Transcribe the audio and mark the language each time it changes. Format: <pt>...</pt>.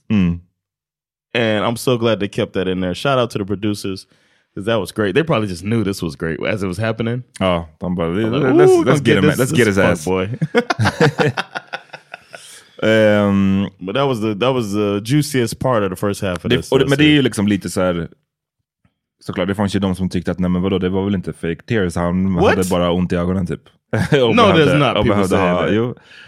<en>And I'm so glad they kept that in there. Shout out to the producers. Cause that was great. They probably just knew this was great as it was happening. Oh, let's get him. This, let's get his ass, boy. But that was the juiciest part of the first half of this.</en> <sv>Men det är ju liksom lite så här, såklart det fanns ju de som tyckte att nej men vadå, det var väl inte</sv> <en>fake tears,</en> <sv>han hade bara ont i ögonen typ.</sv> <en>No, there's not people saying that.</en>